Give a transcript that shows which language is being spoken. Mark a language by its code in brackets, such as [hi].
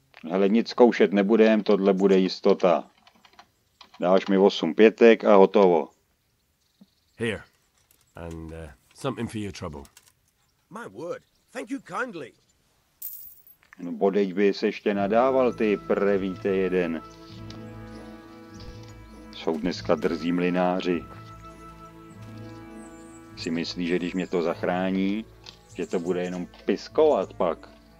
[cs] Hele, nic zkoušet nebudem, tohle bude jistota. Dáš mi 8 pětek a hotovo. [en] Here. And something for your trouble. My word. Thank you kindly. [cs] No bodej bys ještě nadával, ty prevíte jeden. Jsou dneska drzí mlináři. Si myslí, že když mě to zachrání, že to bude jenom piskovat pak.